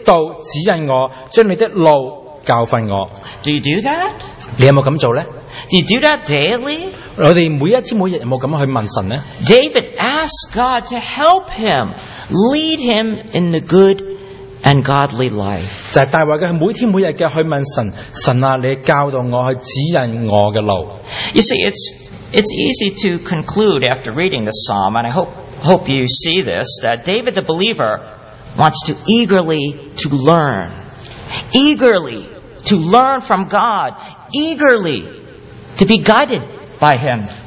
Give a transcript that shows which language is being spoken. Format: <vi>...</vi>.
<zh>而大卫去写这篇诗篇的时候，他不是一个后生的时候的大卫，他现在是一个成熟的、很聪明的、很爱神的大卫。他去求神，去祈祷，他说：耶和华，求你将你的道指引我，将你的路教训我。</zh> <en>Do you do that?</en> <zh>你有没有这么做呢？我们每一天每日有没有这样去问神呢？</zh> <en>David asked God to help him, lead him in the good and godly life.</en> <zh>就是大卫每天每日去问神，神啊，你教导我，去指引我的路。</zh> <en>You see, it's easy to conclude after reading the psalm, and I hope you see this, that David the believer wants to eagerly to learn from God, eagerly to be guided by Him.</en>